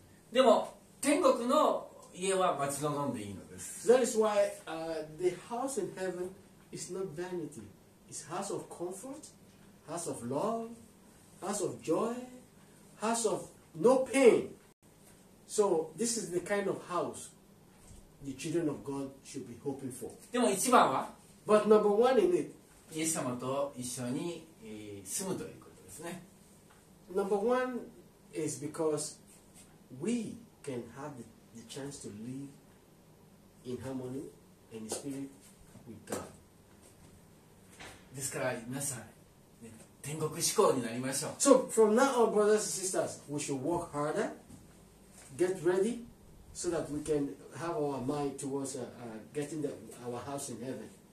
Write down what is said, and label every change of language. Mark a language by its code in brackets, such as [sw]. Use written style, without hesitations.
[ja] でも天国の家は待ち望んでいいのです。 [en] That is why, the house in heaven is not vanity. It's house of comfort, house of love, house of joy, house of no pain. So this is the kind of house the children of God should be hoping for. [ja] でも一番は、 [en] But number one in it, [ja] イエス様と一緒に住むということですね。 [en] Number one is because we can have the chance to live in harmony and spirit with God. [ja] ですから皆さん、ね、天国志向になりましょう。 [en] So from now on, brothers and sisters, we should work harder, get ready, so that we can have our mind towards getting our house in heaven.